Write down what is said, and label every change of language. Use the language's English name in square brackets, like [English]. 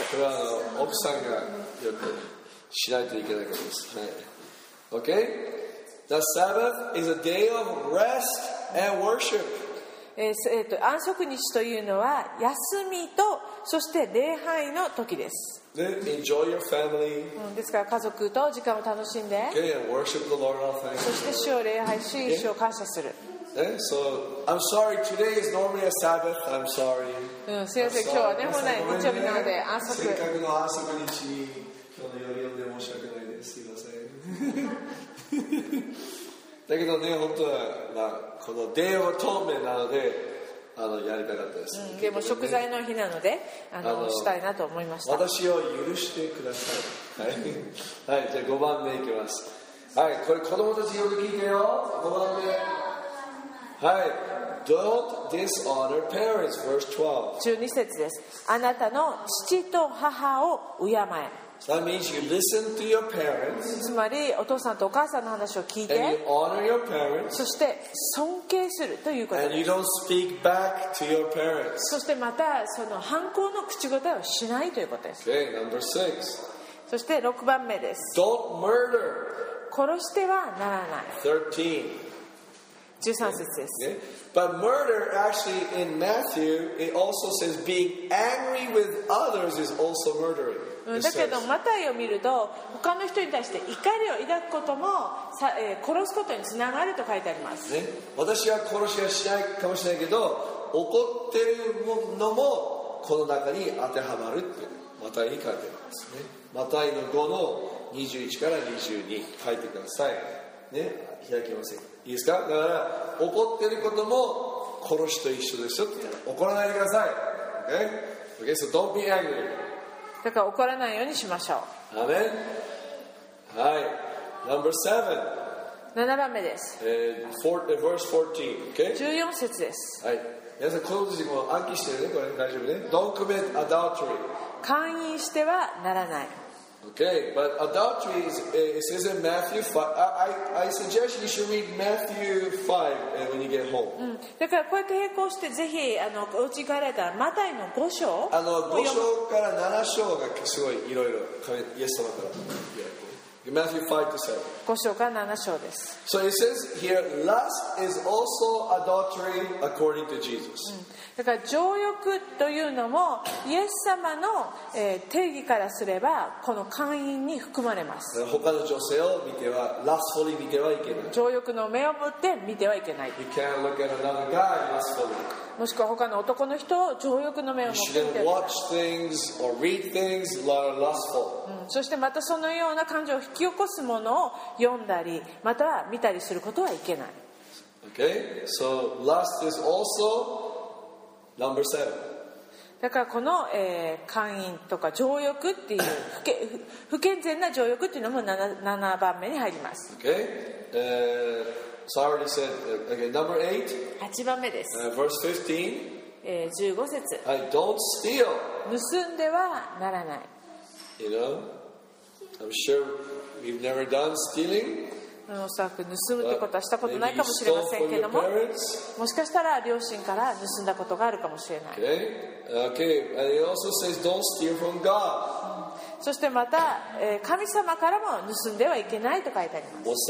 [Japanese] これは奥さんがよくしないといけないことです、はい、OK [English] The Sabbath is a day of rest and worship [Japanese] 安息日というのは休みとそして礼拝の時です [English] Enjoy your family. [Japanese] ですから家族と時間を楽しんで、 [English] okay, and worship the Lord, all thanks. [Japanese] そして主を礼拝し、主を感謝する。 [English] So, I'm sorry, today is normally a Sabbath. I'm sorry. [Japanese] すいません、今日はね、本来日曜日なので、安息。せっかくの安息日に、今日の夜読んで申し訳ないです。すいません。だけどね、本当は、まあ、この Day of Atonement なので、やりたかったです、でも食材の日なのでしたいなと思いました。私を許してください。はい、じゃあ5番目いきます。はい、これ子供たちよく聞いてよ。 5番目、はい、 [English] Don't dishonor parents, verse [Japanese] 12節です。あなたの父と母を敬え。 [English] So that means you listen to your parents. [Japanese] つまりお父さんとお母さんの話を聞いて、 [English] and you honor your parents. [Japanese] そして尊敬するということです。 [English] And you don't speak back to your parents. [Japanese] そしてまたその反抗の口答えをしないということです。 [English] Okay, number six. [Japanese] そして6番目です。 [English] Don't murder. [Japanese] 殺してはならない。 [English] 13. [Japanese] 13節です。 [English] Okay. But murder actually in Matthew it also says being angry with others is also murdering. [Japanese] だけどマタイを見ると他の人に対して怒りを抱くことも殺すことにつながると書いてあります、ね、私は殺しはしないかもしれないけど怒っているのもこの中に当てはまるってマタイに書いてありますね。マタイの5の21から22書いてください、ね、開きません。いいですか。だから怒っていることも殺しと一緒ですよって怒らないでください、ね、OK [English] So don't be angry [Japanese] だから怒らないようにしましょう。アメン。はい。 [English] Number seven. [Japanese] 7番目です。 [English] verse 14. Okay? [Japanese] 14節です。はい。皆さん、この時も暗記してるね。これ大丈夫ね。 [English] Don't commit adultery. [Japanese] 姦淫してはならない。 [English] Okay, but adultery is, it says in Matthew 5. I suggest you should read Matthew 5 when you get home. [Japanese] だからこうやって並行してぜひお家に帰られたらマタイの5章を読む。 5章から7章がすごいいろいろイエス様から。 [English] Matthew 5 to 7. [Japanese] 5章から7章です。 [English] So it says here, lust is also adultery according to Jesus. [Japanese] だから情欲というのもイエス様の定義からすればこの姦淫に含まれます。他の女性を見てはラスフォリー見てはいけない。情欲の目をぶって見てはいけない。 [English] You can't look at another guy, ラスフォリー。 [Japanese] もしくは他の男の人を情欲の目をぶって見てはいけない。 [English] You shouldn't watch things or read things while lustful. [Japanese] そしてまたそのような感情を引き起こすものを読んだりまたは見たりすることはいけない。 [English] Okay, so lust is alsoNumber seven. [Japanese] だからこの姦淫とか情欲っていう不健全な情欲っていうのも 7番目に入ります。 [English] Okay. So I already said, okay, number eight. [Japanese] 8番目です。 [English] Verse [Japanese] 15. 15節。 [English] はい、Don't steal. [Japanese] 盗んではならない。 [English] You know, I'm sure you've never done stealing. [Japanese] おそらく盗むということはしたことないかもしれませんけども、もしかしたら両親から盗んだことがあるかもしれない。 [English] Okay. It also says, don't steal from God. [Japanese] そしてまた神様からも盗んではいけないと書いてあります。